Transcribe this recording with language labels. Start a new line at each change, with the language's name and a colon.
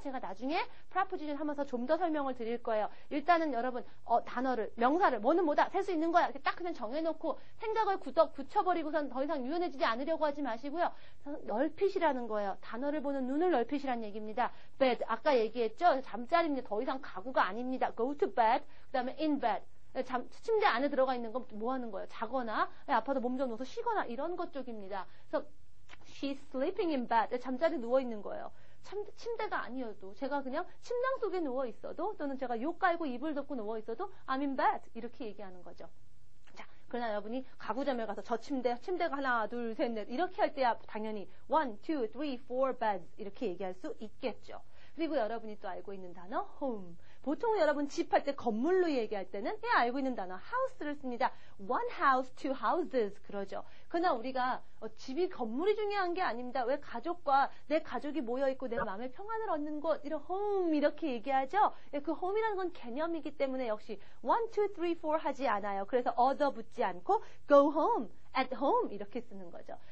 Korean: 제가 나중에 proposition 하면서 좀 더 설명을 드릴 거예요. 일단은 여러분 단어를 명사를 뭐는 뭐다 셀 수 있는 거야 이렇게 딱 그냥 정해놓고 생각을 굳혀버리고선 더 이상 유연해지지 않으려고 하지 마시고요. 넓히시라는 거예요. 단어를 보는 눈을 넓히시라는 얘기입니다. bed 아까 얘기했죠. 잠자리입니다. 더 이상 가구가 아닙니다.
English: go to bed
Korean: 그 다음에
English: in bed
Korean: 침대 안에 들어가 있는 건 뭐 하는 거예요. 자거나 아파도 몸 좀 놓고 쉬거나 이런 것 쪽입니다. 그래서
English: She's sleeping in bed.
Korean: 잠자리에 누워 있는 거예요. 침대가 아니어도 제가 그냥 침낭 속에 누워 있어도 또는 제가 욕 깔고 이불 덮고 누워 있어도
English: I'm in bed
Korean: 이렇게 얘기하는 거죠. 자, 그러나 여러분이 가구점에 가서 저 침대가 하나 둘 셋 넷 이렇게 할 때야 당연히
English: one two three four beds
Korean: 이렇게 얘기할 수 있겠죠. 그리고 여러분이 또 알고 있는 단어 home. 보통 여러분 집 할 때 건물로 얘기할 때는 예, 알고 있는 단어 house를 씁니다.
English: One house, two houses
Korean: 그러죠. 그러나 우리가 집이 건물이 중요한 게 아닙니다. 왜 가족과 내 가족이 모여있고 내 마음의 평안을 얻는 곳 이런 home 이렇게 얘기하죠. 예, 그 home이라는 건 개념이기 때문에 역시
English: one, two, three, four
Korean: 하지 않아요. 그래서 other 붙지 않고
English: go home, at home
Korean: 이렇게 쓰는 거죠.